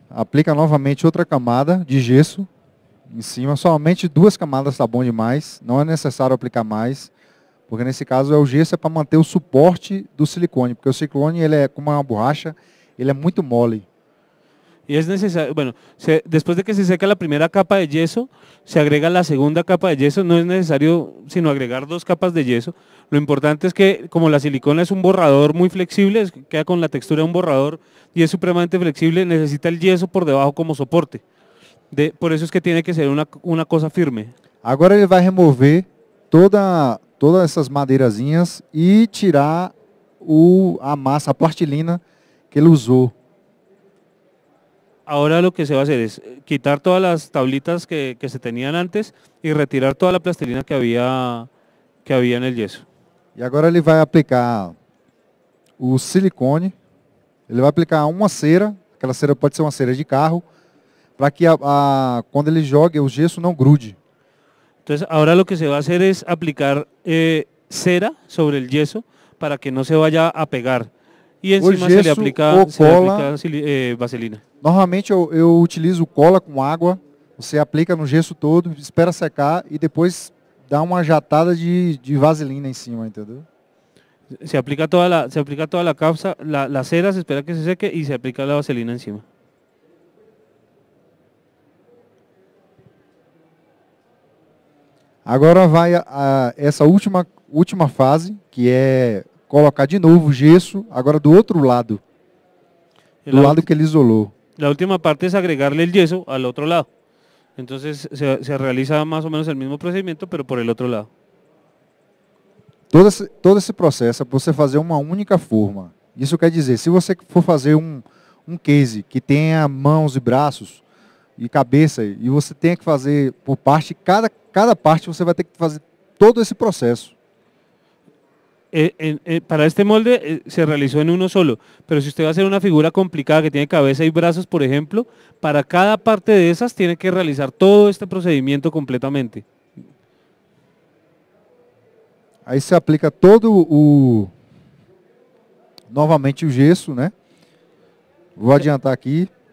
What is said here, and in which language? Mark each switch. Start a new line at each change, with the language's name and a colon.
Portuguese: Aplica novamente outra camada de gesso em cima. Somente duas camadas está bom demais. Não é necessário aplicar mais, porque nesse caso é o gesso é para manter o suporte do silicone, porque o silicone ele é como uma borracha, ele é muito mole.
Spanish: Y es necesario, bueno, después de que se seca la primera capa de yeso, se agrega la segunda capa de yeso. No es necesario sino agregar dos capas de yeso. Lo importante es que, como la silicona es un borrador muy flexible, queda con la textura de un borrador y es supremamente flexible, necesita el yeso por debajo como soporte. Por eso es que tiene que ser una cosa firme. Ahora él va a remover todas esas maderazinhas y tirar la masa, la plastilina que él usó. Ahora lo que se va a hacer es quitar todas las tablitas que se tenían antes y retirar toda la plastilina que había en el yeso. Y ahora él va a aplicar el silicone, él va a aplicar una cera, aquella cera puede ser una cera de carro, para que cuando él
Portuguese: jogue el yeso no grude.
Spanish: Entonces ahora lo que se va a hacer es aplicar cera sobre el yeso para que no se vaya a pegar.
Portuguese: E em cima se ele aplica, vaselina? Normalmente eu utilizo cola com água, você aplica no gesso todo, espera secar e depois dá uma jatada de vaselina em cima, entendeu?
Spanish: Se aplica toda la capsa, la cera, se espera que se seque y se aplica la vaselina encima.
Portuguese: Agora vai essa última fase, que é colocar de novo o gesso, agora do outro lado. Lado que ele isolou.
Spanish: La última parte es agregarle el yeso al otro lado. Entonces se realiza más o menos el mismo procedimiento, pero por el otro lado.
Portuguese: Todo esse processo é para você fazer uma única forma. Isso quer dizer, se você for fazer um case que tenha mãos e braços e cabeça, e você tem que fazer por parte, cada parte você vai ter que fazer todo esse processo.
Spanish: Para este molde se realizó en uno solo, pero si usted va a hacer una figura complicada que tiene cabeza y brazos, por ejemplo, para cada parte de esas tiene que realizar todo este procedimiento completamente.
Portuguese: Aí se aplica todo novamente o gesso, né? Vou adiantar aqui.